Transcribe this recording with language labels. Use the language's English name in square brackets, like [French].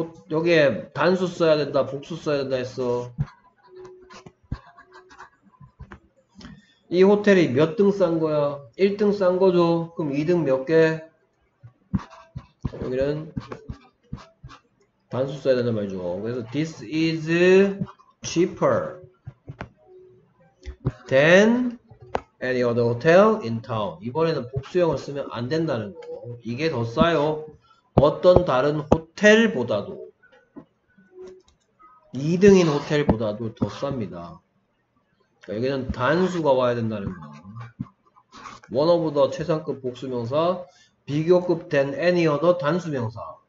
[Korean] 여기에 단수 써야 된다, 복수 써야 된다 했어. 이 호텔이 몇 등 싼 거야? 1등 싼 거죠? 그럼 2등 몇 개? 여기는 단수 써야 된다 말이죠. [English] 그래서 this is cheaper than any other hotel in town. [Korean] 이번에는 복수형을 쓰면 안 된다는 거. 이게 더 싸요. 어떤 다른 호텔보다도 2등인 호텔보다도 더 쌉니다. 그러니까 여기는 단수가 와야 된다는 거. [English] One of the [Korean] 최상급 복수명사, 비교급 [English] than any other [Korean] 단수명사.